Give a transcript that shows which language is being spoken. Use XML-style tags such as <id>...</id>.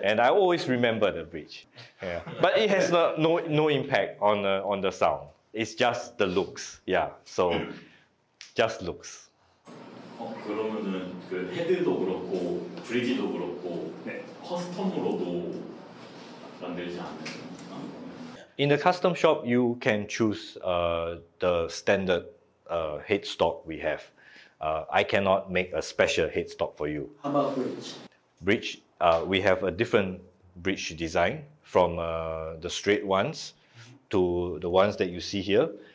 <en>And I always remember the bridge. Yeah. But it has no impact on the sound. It's just the looks. Yeah. So just looks.</en> <ko>그러면은 그 헤드도 그렇고 브릿지도 그렇고 네. 커스텀으로도 만들지 않나요?</ko> <en>In the custom shop, you can choose the standard headstock we have. I cannot make a special headstock for you. How about bridge? Bridge, we have a different bridge design from the straight ones to the ones that you see here.</en>